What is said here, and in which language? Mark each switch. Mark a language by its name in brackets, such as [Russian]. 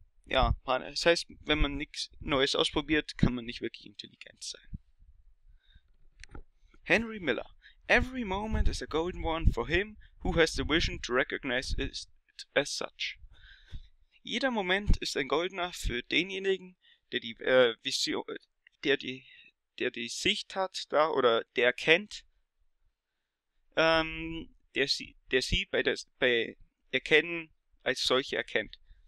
[German] Ja, das heißt, wenn man nichts Neues ausprobiert, kann man nicht wirklich intelligent sein. Henry Miller. [English] Every moment is a golden one for him who has the vision to recognize it as such. [German] Jeder Moment ist ein goldener für denjenigen, der die Sicht hat da oder der erkennt, der sie bei Erkennen als solche erkennt.